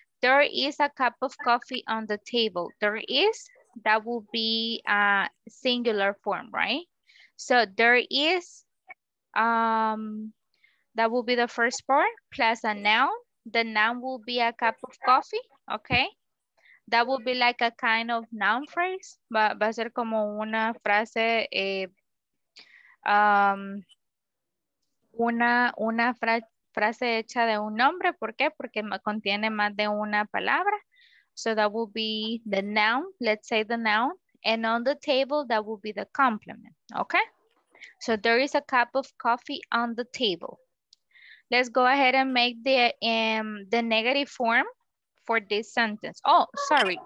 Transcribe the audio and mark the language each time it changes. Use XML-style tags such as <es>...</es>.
<en>There is a cup of coffee on the table. There is, that will be a singular form, right? So there is, that will be the first part, plus a noun. The noun will be a cup of coffee, okay? That will be like a kind of noun phrase.</en> <es>Va a ser como una frase, frase hecha de un nombre. ¿Por qué? Porque contiene más de una palabra.</es> <en>So that will be the noun, let's say the noun. And on the table, that will be the complement, okay? So there is a cup of coffee on the table. Let's go ahead and make the negative form for this sentence. Oh, sorry.</en>